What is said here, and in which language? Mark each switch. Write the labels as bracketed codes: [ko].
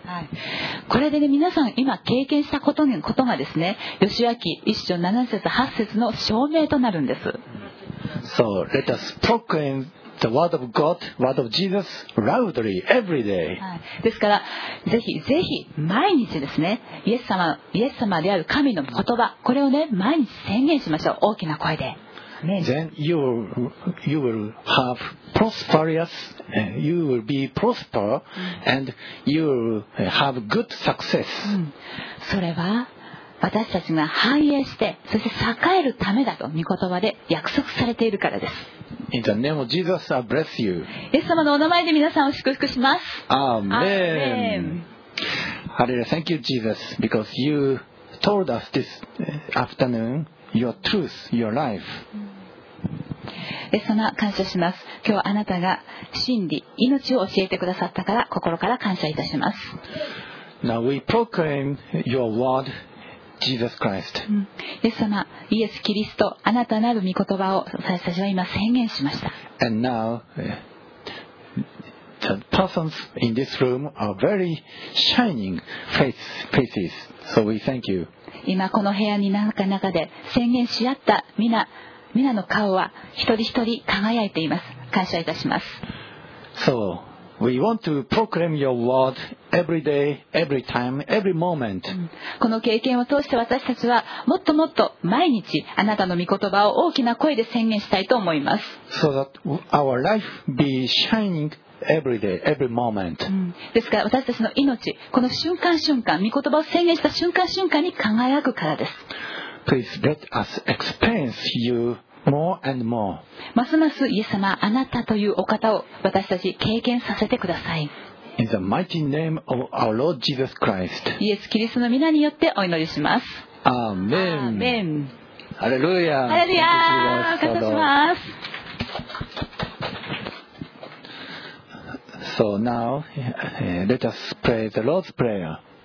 [ja] はい、これで、ね、皆さん今経験したことがですね、ヨシュア記一章七節八節の証明となるんです。 [en] So let us proclaim the word of God, word of Jesus loudly every day. [ja] ですからぜひぜひ毎日ですね、イエス様である神の言葉、これをね毎日宣言しましょう、大きな声で。 [en] Then you will have prosperous, you will be prosper, and you will have good success. [ja] それは私たちが繁栄して、そして栄えるためだと御言葉で約束されているからです。 [en] In the name of Jesus, I bless you. [ja] イエス様のお名前で皆さんを祝福します。 [en] Amen. Hallelujah. Thank you, Jesus, because you told us this afternoon. Your truth, your life. [ja] イエス様、感謝します。今日あなたが真理、命を教えてくださったから心から感謝いたします。 [en] Now we proclaim your word, Jesus Christ. [ja] イエス様、イエスキリスト、あなたなる御言葉を私たちは今宣言しました。 [en] And now the persons in this room are very shining faces, so we thank you. [ja] 今この部屋に中で宣言し合った皆の顔は一人一人輝いています。感謝いたします。 [en] So we want to proclaim your word every day, every time, every moment. [ja] この経験を通して私たちはもっともっと毎日あなたの御言葉を大きな声で宣言したいと思います。 [en] So that our life be shiningEvery day, every moment. [ja] ですから私たちの命、この瞬間瞬間、御言葉を宣言した瞬間瞬間に輝くからです。 [en] Please let us experience you more and more. [ja] ますますイエス様、あなたというお方を私たち経験させてください。 [en] In the mighty name of our Lord Jesus Christ. [ja] イエスキリストの皆によってお祈りします。アーメン。アーメン。ハレルヤ。ハレルヤ。感謝します。 [en] So now, let us pray the Lord's Prayer.